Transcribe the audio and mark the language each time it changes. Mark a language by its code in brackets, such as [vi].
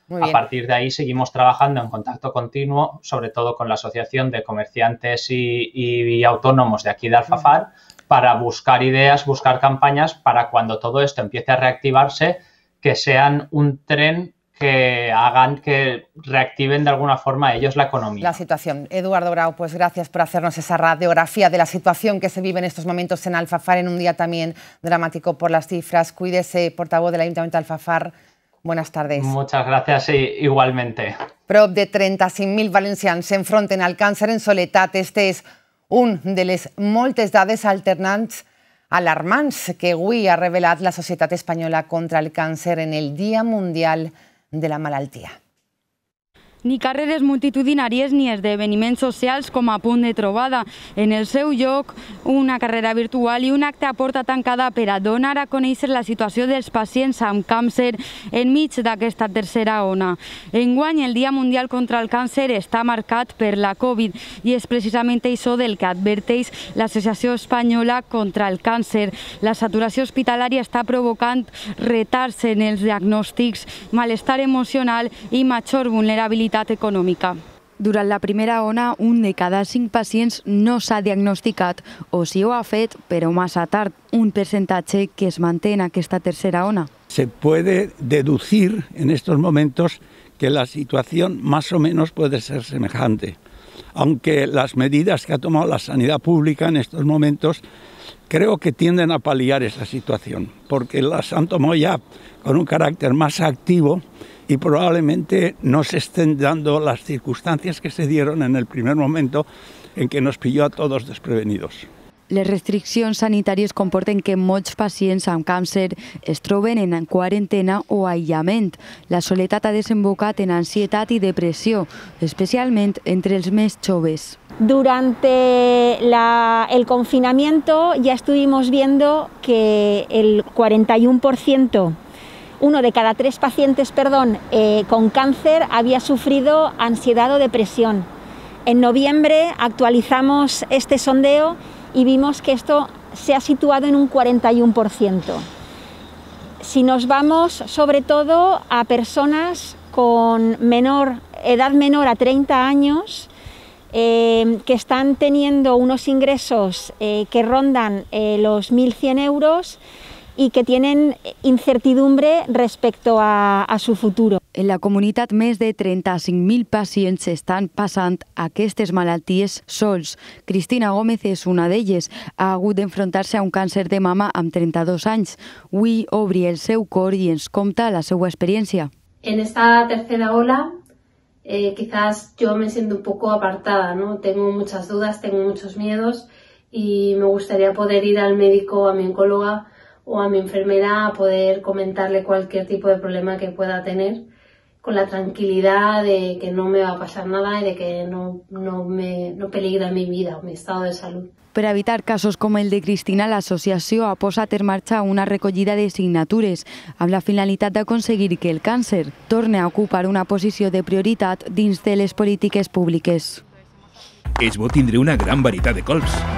[es] A partir de ahí seguimos trabajando en contacto continuo, sobre todo con la Asociación de Comerciantes y Autónomos de aquí de Alfafar, para buscar ideas, buscar campañas para cuando todo esto empiece a reactivarse, que sean un tren que hagan que reactiven de alguna forma ellos la economía. La situación. Eduardo Grau, pues gracias por hacernos esa radiografía de la situación que se vive en estos momentos en Alfafar, en un día también dramático por las cifras. Cuídese, portavoz del Ayuntamiento de Alfafar. Buenas tardes. Muchas gracias, y igualmente. [ca] Prop de 36.000 valencians s'enfronten al càncer en soledat. Este és un de les moltes dades alternants alarmants que avui ha revelat la Societat Espanyola contra el Càncer en el Dia Mundial de la Malaltia. Ni carreres multitudinàries ni esdeveniments socials com a punt de trobada. En el seu lloc, una carrera virtual i un acte a porta tancada per a donar a conèixer la situació dels pacients amb càncer enmig d'aquesta tercera ona. Enguany, el Dia Mundial contra el Càncer està marcat per la Covid i és precisament això del que adverteix l'Associació Espanyola contra el Càncer. La saturació hospitalària està provocant retards en els diagnòstics, malestar emocional i major vulnerabilitat econòmica. Durant la primera ona, un de cada cinc pacients no s'ha diagnosticat, o si ho ha fet, però massa tard, un percentatge que es manté en aquesta tercera ona. [es] Se puede deducir en estos momentos que la situación más o menos puede ser semejante, aunque las medidas que ha tomado la sanidad pública en estos momentos creo que tienden a paliar esa situación, porque las han tomado ya con un carácter más activo y probablemente no se estén dando las circunstancias que se dieron en el primer momento en que nos pilló a todos desprevenidos. [ca] Les restriccions sanitàries comporten que molts pacients amb càncer es troben en quarantena o aïllament. La soledat ha desembocat en ansietat i depressió, especialment entre els més joves. [es] Durante el confinamiento ya estuvimos viendo que el 41%, uno de cada tres pacientes, con cáncer había sufrido ansiedad o depresión. En noviembre actualizamos este sondeo y vimos que esto se ha situado en un 41%. Si nos vamos sobre todo a personas con edad menor a 30 años, que están teniendo unos ingresos que rondan los 1.100 euros, y que tienen incertidumbre respecto a su futuro. [ca] En la comunitat, més de 35.000 pacients estan passant aquestes malalties sols. Cristina Gómez és una d'elles. Ha hagut d'enfrontar-se a un càncer de mama amb 32 anys. Avui obri el seu cor i ens compta la seva experiència. [es] En esta tercera ola, quizás yo me siento un poco apartada, ¿no? Tengo muchas dudas, tengo muchos miedos y me gustaría poder ir al médico, a mi oncóloga, o a mi enfermera a poder comentarle cualquier tipo de problema que pueda tener con la tranquilidad de que no me va a pasar nada y de que no peligra mi vida o mi estado de salud. [ca] Per evitar casos com el de Cristina, l'associació ha posat en marxa una recollida de signatures amb la finalitat d'aconseguir que el càncer torni a ocupar una posició de prioritat dins de les polítiques públiques. És bo tindre una gran varietat de colps.